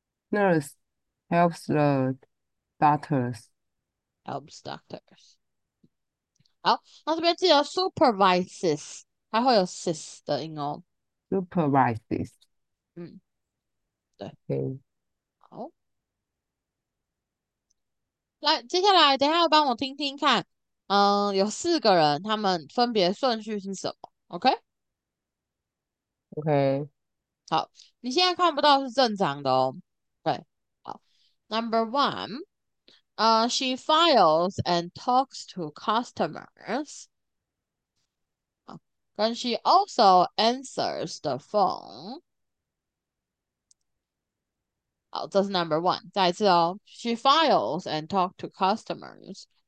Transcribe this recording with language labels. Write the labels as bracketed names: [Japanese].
[English] Nurse helps the doctors. Helps doctors. [Chinese] 好，那这边记得 supervises，它会有 sis 的音哦。 [English] Supervises. 对。 [Chinese] 好，来，接下来等一下帮我听听看，有四个人，他们分别顺序是什么？OK， [English] OK。 [Chinese] 好，你现在看不到是正常的哦。 [English] Number one，she files and talks to customers，跟 she also answers the phone。好，这是 number one。再一次哦， She files and talk to customers.